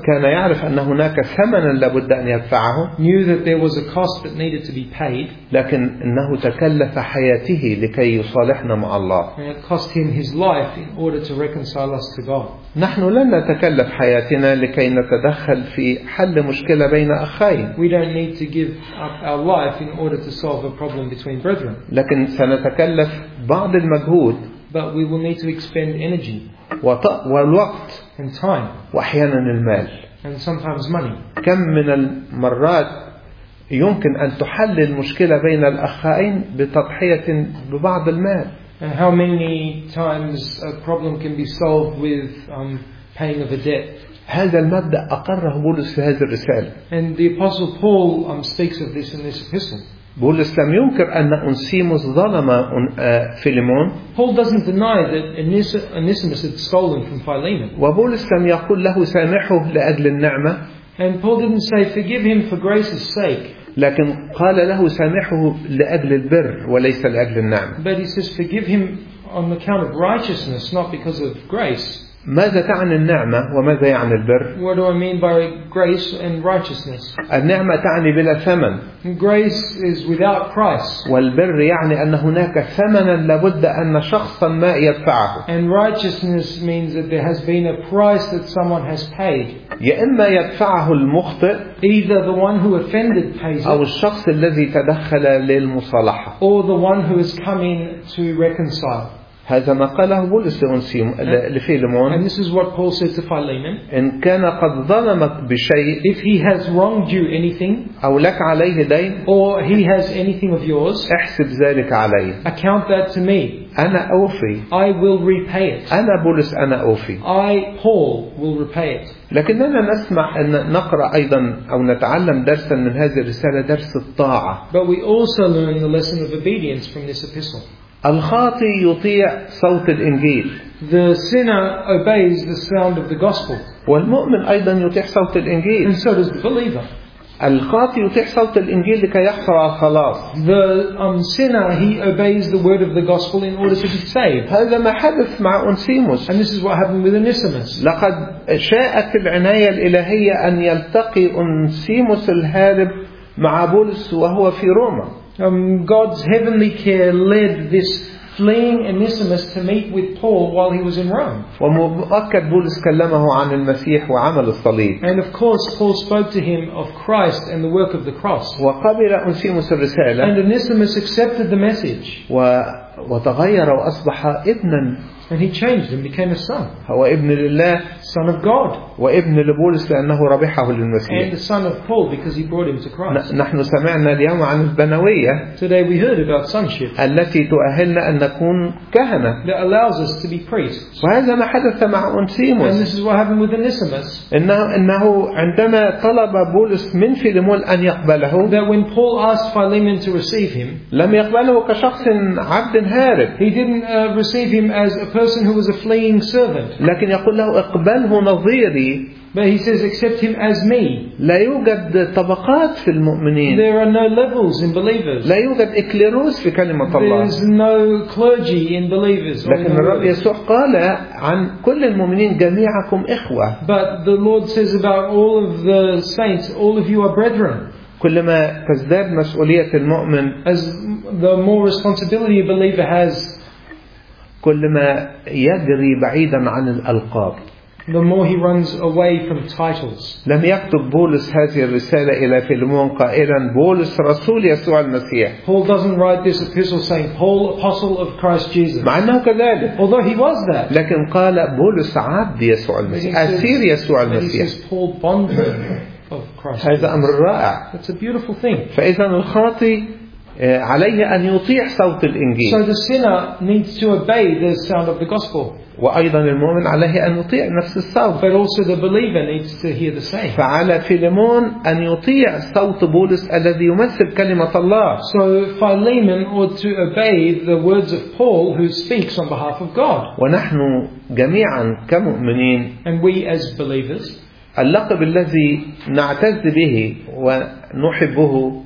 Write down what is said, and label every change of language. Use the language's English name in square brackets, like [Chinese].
[Arabic] كان يعرف أن هناك ثمنا لابد أن يدفعه. [English] Knew that there was a cost that needed to be paid. [Arabic] لكن إنه تكلف حياته لكي يصالحنا مع الله. [English] And it cost him his life in order to reconcile us to God. [Arabic] نحن لن نتكلف حياتنا لكي نتدخل في حل مشكلة بين أخين. [English] We don't need to give up our life in order to solve a problem between brethren. [Arabic] لكن سنتكلف بعض المجهود. [English] But we will need to expend energy [Arabic] والوقت [English] and time [Arabic] وأحيانا المال [English] and sometimes money. [Arabic] كم من المرات يمكن أن تحل المشكلة بين الأخين بتضحية ببعض المال. [English] And how many times a problem can be solved with paying of a debt. [Arabic] هذا المبدأ أقره بولس في هذه الرسالة. [English] And the apostle Paul speaks of this in this epistle. [Arabic] بولس لم ينكر أن أنسيموس ظلم فيليمون. [English] Paul doesn't deny that Onesimus had stolen from Philemon. [Arabic] وبولس لم يقل له سامحه لأجل النعمة. [English] And Paul didn't say forgive him for grace's sake. [Arabic] لكن قال له سامحه لأجل البر وليس لأجل النعمة. [English] But he says forgive him on account of righteousness, not because of grace. [Arabic] ماذا تعني النعمة وماذا يعني البر؟ [English] What do I mean by grace and righteousness? [Arabic] النعمة تعني بلا ثمن. [English] Grace is without price. [Arabic] والبر يعني أن هناك ثمنا لابد أن شخصا ما يدفعه. [English] And righteousness means that there has been a price that someone has paid. [Arabic] يا إما يدفعه المخطئ. [English] Either the one who offended pays. [Arabic] أو الشخص الذي تدخل للمصالحة. [English] Or the one who is coming to reconcile. [Arabic] هذا ما قاله بولس لفيلمون. [English] And this is what Paul said to Philemon. [Arabic] إن كان قد ظلمك بشيء. [English] If he has wronged you anything. [Arabic] أو لك عليه دين. [English] Or he has anything of yours. [Arabic] احسب ذلك علي. [English] Account that to me. [Arabic] أنا أوفي. [English] I will repay it. [Arabic] أنا بولس أنا أوفي. [English] I Paul will repay it. [Arabic] لكننا نسمع أن نقرأ أيضا أو نتعلم درسا من هذه الرسالة درس الطاعة. [English] But we also learn the lesson of obedience from this epistle. [Arabic] الخاطي يطيع صوت الإنجيل. [English] The sinner obeys the sound of the gospel. [Arabic] والمؤمن أيضا يطيع صوت الإنجيل. [English] And so does the believer. [Arabic] الخاطي يطيع صوت الإنجيل لكي يحصل على الخلاص. [English] The sinner he obeys the word of the gospel in order to be saved. [Arabic] هذا ما حدث مع أنسيموس. [English] And this is what happened with Onesimus. [Arabic] لقد شاءت العناية الإلهية أن يلتقي أنسيموس الهارب مع بولس وهو في روما. [English] God's heavenly care led this fleeing Onesimus to meet with Paul while he was in Rome. [Arabic] ومؤكد بولس كلمه عن المسيح وعمل الصليب. [English] And of course, Paul spoke to him of Christ and the work of the cross. [Arabic] وقبل أنسيموس الرسالة. [English] And Onesimus accepted the message. [Arabic] وتغير وأصبح ابنا. [English] And he changed and became a son. [Arabic] هو ابن لله. [English] Son of God. [Arabic] وابن لبولس لأنه ربحه للمسيح. [English] And the son of Paul because he brought him to Christ. [Arabic] نحن سمعنا اليوم عن البنوية. [English] Today we heard about sonship. [Arabic] التي تؤهلنا أن نكون كهنة. [English] That allows us to be priests. [Arabic] وهذا ما حدث مع أنسيموس. [English] And this is what happened with Onesimus. [Arabic] إنه عندما طلب بولس من فيليمون أن يقبله. [English] That when Paul asked Philemon to receive him. [Arabic] لم يقبله كشخص عبد هارب. [English] He didn't receive him as a person who was a fleeing servant. [Arabic] لكن يقول له اقبله نظيري. [English] But he says, accept him as me. [Arabic] لا يوجد طبقات في المؤمنين. [English] There are no levels in believers. [Arabic] لا يوجد إكليروس في كلمة الله. [English] There's no clergy in believers. [Arabic] لكن الرب يسوع قال عن كل المؤمنين جميعكم إخوة. [English] But the Lord says about all of the saints, all of you are brethren. [Arabic] كلما تزداد مسؤولية المؤمن. [English] As the more responsibility a believer has. [Arabic] كلما يجري بعيدا عن الألقاب. [English] The more he runs away from titles. [Arabic] لم يكتب بولس هذه الرسالة إلى فيلمون قائلا بولس رسول يسوع المسيح. [English] Paul doesn't write this epistle saying Paul apostle of Christ Jesus. [Arabic] مع أنه كذلك. [English] Although he was that. [Arabic] لكن قال بولس عبد يسوع المسيح. أسير يسوع المسيح. [English] He says Paul bondman of Christ. [Arabic] هذا أمر رائع. [English] It's a beautiful thing. [Arabic] فإذا الخاطي عليه أن يطيع صوت الإنجيل. [English] So the sinner needs to obey the sound of the gospel. [Arabic] وأيضا المؤمن عليه أن يطيع نفس الصوت. [English] But also the believer needs to hear the same. [Arabic] فعلى فيليمون أن يطيع صوت بولس الذي يمثل كلمة الله. [English] So Philemon ought to obey the words of Paul who speaks on behalf of God. [Arabic] ونحن جميعا كمؤمنين. [English] And we as believers. [Arabic] اللقب الذي نعتز به ونحبه.